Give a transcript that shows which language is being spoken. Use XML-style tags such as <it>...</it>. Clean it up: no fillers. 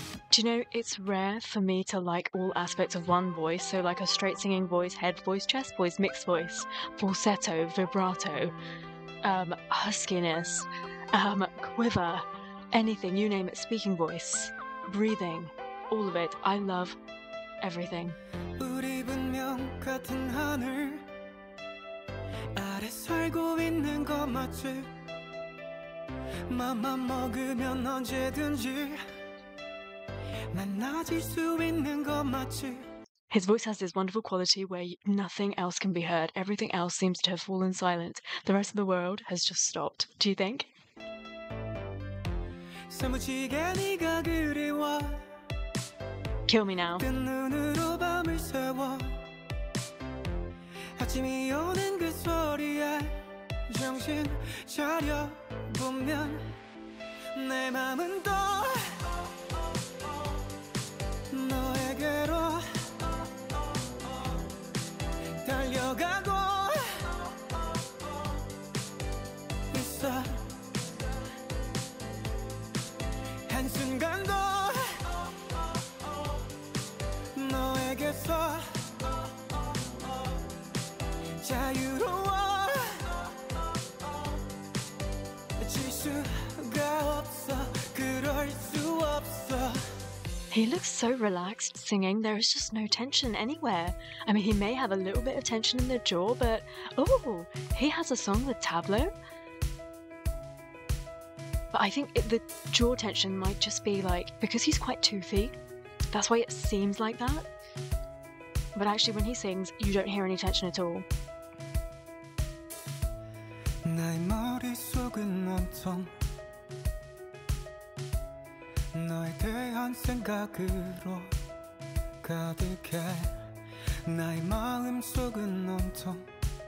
<en>Do you know, it's rare for me to like all aspects of one voice, so like a straight singing voice, head voice, chest voice, mixed voice, falsetto, vibrato, huskiness, quiver, anything, you name it, speaking voice, breathing, all of it. I love everything.</en> <ko>우리 분명 같은 하늘 아래 살고 있는 거 맞지? 맘만 먹으면 언제든지 만나질 수 있는 거 맞지?</ko> <en>His voice has this wonderful quality where nothing else can be heard. Everything else seems to have fallen silent. The rest of the world has just stopped. Do you think?</en> <ko>사무치게 네가 그리워.</ko> <en>Kill me now.</en> <ko>뜬 눈으로 밤을 세워. 아침이 오는 그 소리에 정신 차려 보면 내 마음은 또 너에게로 달려가고 있어. 한순간도 너에게서 자유로워질 수가 없어. 그럴 수 없어.</ko> <en>He looks so relaxed singing. There is just no tension anywhere. I mean, he may have a little bit of tension in the jaw, but oh, he has a song with tableau. But I think the jaw tension might just be like, because he's quite toothy, that's why it seems like that. But actually, when he sings, you don't hear any tension at all.</en> <ko>나의 머릿속은 온통 너에 대한 생각으로 가득해 나의 마음속은 온통</ko>